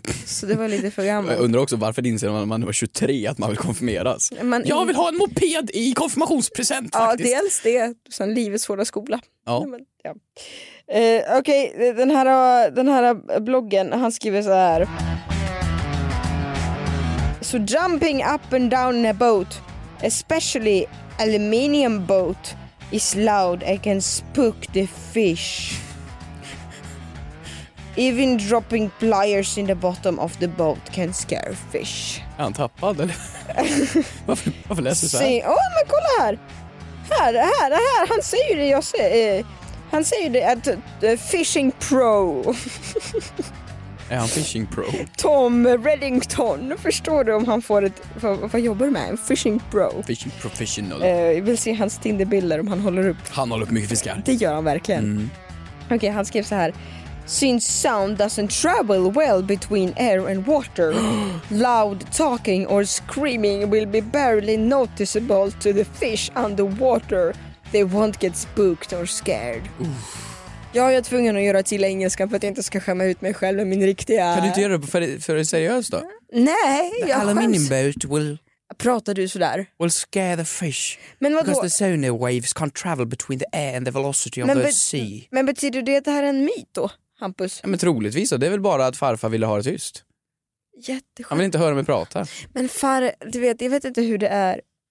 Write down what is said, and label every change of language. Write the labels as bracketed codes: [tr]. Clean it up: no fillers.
[sv] Så det var lite för gammalt. Jag undrar också, varför inser man när man var 23 att man vill konfirmeras? Jag vill ha en moped i konfirmationspresent faktiskt. Ja, dels det. Sen livets hårda skola. Ja. Ja. Okej, okay, den här bloggen, han skriver så här. [en] So jumping up and down in a boat, especially aluminium boat, is loud and can spook the fish. Even dropping pliers in the bottom of the boat can scare fish. [sv] Är han tappad eller? varför läser du så här? Åh, men kolla här. Här. Han säger ju det jag ser. Han säger ju det att fishing pro. Är han fishing pro? Tom Reddington, förstår du om han får ett... Vad jobbar du med? En fishing pro? [en] Fishing professional. [sv] Jag vill se hans Tinder-bilder om han håller upp. Han håller upp mycket fiskar. Det gör han verkligen. Mm. Okej, han skrev så här. [en] Since sound doesn't travel well between air and water, loud talking or screaming will be barely noticeable to the fish underwater. They won't get spooked or scared. Oof. [sv] Jag är tvungen att göra till engelska för att jag inte ska skämma ut mig själv med min riktiga... Kan du inte göra det för att seriöst då? Nej, jag skäms. [en] Aluminium boat will... [sv] Pratar du sådär? [en] Will scare the fish. [sv] Men vadå? [en] Because the sonar waves can't travel between the air and the velocity of the sea. [sv] Men betyder det att det här är en myt då, Hampus? Ja, men troligtvis så. Det är väl bara att farfar ville ha det tyst. Jätteskönt. Han vill inte höra mig prata. Men far, du vet, jag vet inte hur det är.